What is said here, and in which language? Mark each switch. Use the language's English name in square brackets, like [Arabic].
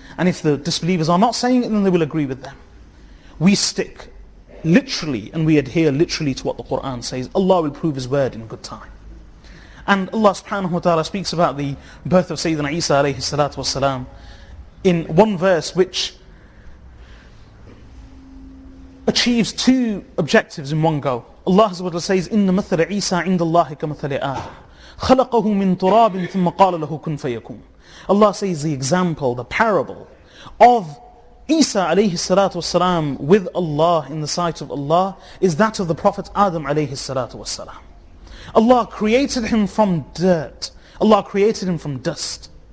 [English] And if the disbelievers are not saying it, then they will agree with them. We stick literally, and we adhere literally to what the Qur'an says. Allah will prove His word in good time. And Allah subhanahu wa ta'ala speaks about the birth of Sayyidina Isa alayhi salatu wasalam in one verse which achieves two objectives in one go. Allah subhanahu wa ta'ala says, [Arabic] إِنَّ مَثَلَ عِيسَىٰ عِنْدَ اللَّهِ كَمَثَلِ آدَمَ خَلَقَهُ مِنْ تُرَابٍ ثُمَّ قَالَ لَهُ كُنْ فَيَكُونَ. [English] Allah says the example, the parable of Isa alayhi salatu wasalam with Allah in the sight of Allah is that of the Prophet Adam alayhi salatu wasalam. Allah created him from dirt. Allah created him from dust.